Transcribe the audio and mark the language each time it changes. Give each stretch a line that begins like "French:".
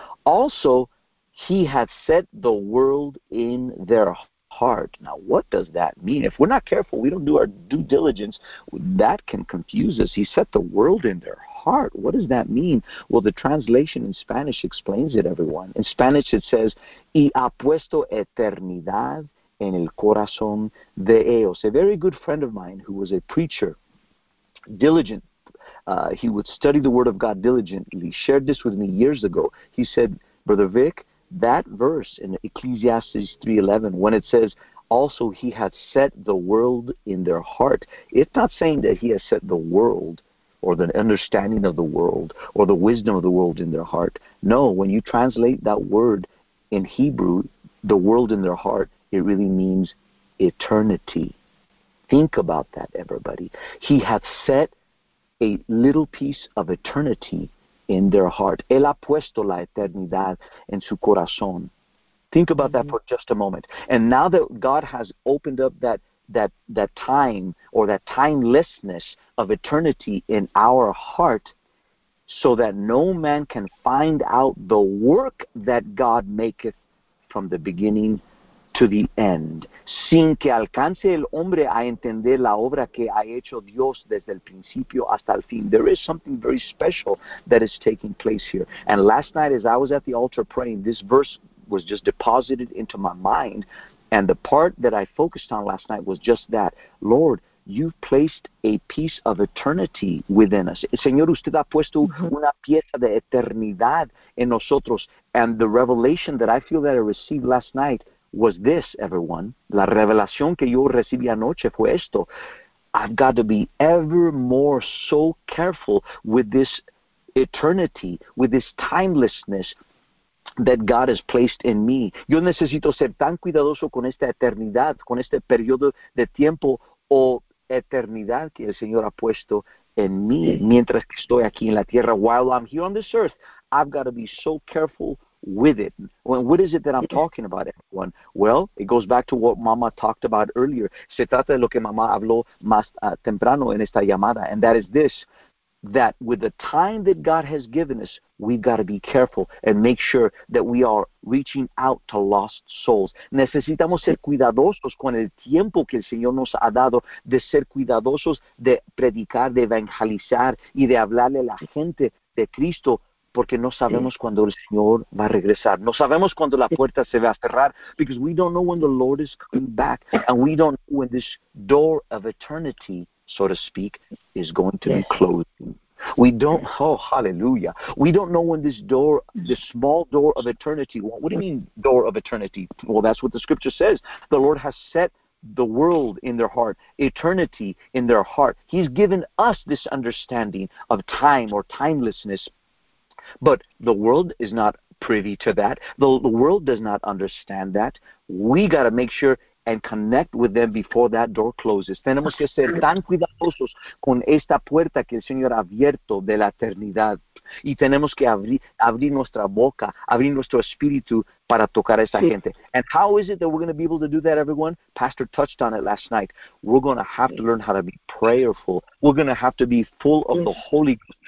English: Also, He hath set the world in their heart. Now, what does that mean? If we're not careful, we don't do our due diligence, that can confuse us. He set the world in their heart. What does that mean? Well, the translation in Spanish explains it, everyone. In Spanish, it says,
Spanish: y ha puesto eternidad en el corazón de ellos.
English: A very good friend of mine who was a preacher, diligent, he would study the Word of God diligently, shared this with me years ago. He said, Brother Vic, that verse in Ecclesiastes 3:11, when it says, also he hath set the world in their heart, it's not saying that he has set the world or the understanding of the world or the wisdom of the world in their heart. No, when you translate that word in Hebrew, the world in their heart, it really means eternity. Think about that, everybody. He hath set a little piece of eternity in their heart.
Spanish: Él ha puesto la eternidad en su corazón.
English: Think about that for just a moment. And now that God has opened up that time or that timelessness of eternity in our heart so that no man can find out the work that God maketh from the beginning to the end.
Spanish: Sin que alcance el hombre a entender la obra que ha hecho Dios desde el principio hasta el fin.
English: There is something very special that is taking place here. And last night as I was at the altar praying, this verse was just deposited into my mind. And the part that I focused on last night was just that. Lord, You've placed a piece of eternity within us.
Spanish: Señor, usted ha puesto una pieza de eternidad en nosotros.
English: And the revelation that I feel that I received last night was this, everyone.
Spanish: La revelación que yo recibí anoche fue esto.
English: I've got to be ever more so careful with this eternity, with this timelessness that God has placed in me.
Spanish: Yo necesito ser tan cuidadoso con esta eternidad, con este periodo de tiempo o eternidad que el Señor ha puesto en mí mientras que estoy aquí en la tierra.
English: While I'm here on this earth, I've got to be so careful with it. Well, what is it that I'm talking about, everyone? Well, it goes back to what Mama talked about earlier.
Spanish: Se trata de lo que Mama habló más temprano en esta llamada,
English: and that is this, that with the time that God has given us, we've got to be careful and make sure that we are reaching out to lost souls.
Spanish: Necesitamos ser cuidadosos con el tiempo que el Señor nos ha dado, de ser cuidadosos de predicar, de evangelizar y de hablarle a la gente de Cristo, porque no sabemos cuándo el Señor va a regresar. No sabemos cuándo la puerta se va a cerrar,
English: because we don't know when the Lord is coming back, and we don't know when this door of eternity, so to speak, is going to be closing. We don't, hallelujah. We don't know when this door, this small door of eternity, what do you mean door of eternity? Well, that's what the scripture says. The Lord has set the world in their heart, eternity in their heart. He's given us this understanding of time or timelessness. But the world is not privy to that. The world does not understand that. We got to make sure and connect with them before that door closes.
Spanish: Tenemos que ser tan cuidadosos con esta puerta que el Señor ha abierto de la eternidad. Y tenemos que abrir nuestra boca, abrir nuestro espíritu para tocar a esa gente.
English: And how is it that we're going to be able to do that, everyone? Pastor touched on it last night. We're going to have to learn how to be prayerful. We're going to have to be full of the Holy Ghost.